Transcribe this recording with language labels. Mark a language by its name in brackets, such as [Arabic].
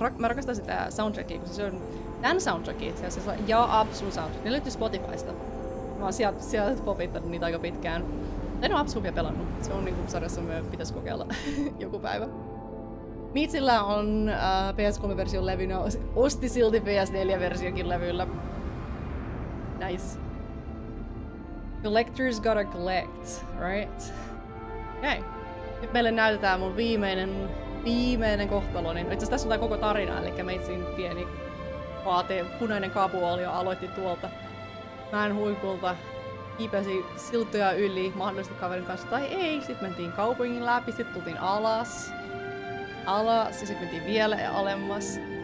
[Finnish] Mä rakastan sitä soundtrackia, koska se on tän soundtrackit ja Apsun soundtrack. Ne löytyy Spotifysta. Mä oon sieltä popittanut niitä aika pitkään. En ole Absolutia pelannut. Se on niinku sarjassa, me pitäis kokeilla joku päivä. Miitsillä on PS3-version levynä. Osti silti PS4-versionkin levyllä. [English] Nice. Collectors gotta collect, right? [Finnish] Okei. Okay. Nyt meille näytetään mun viimeinen kohtaloni. No itseasiassa tässä on tää koko tarina, eli meitsin pieni vaate, punainen kaapuolio aloitti tuolta. Mäen huikulta. Kiipesi siltoja yli mahdollisesti kaverin kanssa tai ei. Sitten mentiin kaupungin läpi, sitten tultiin alas ja sitten mentiin vielä ja alemmas.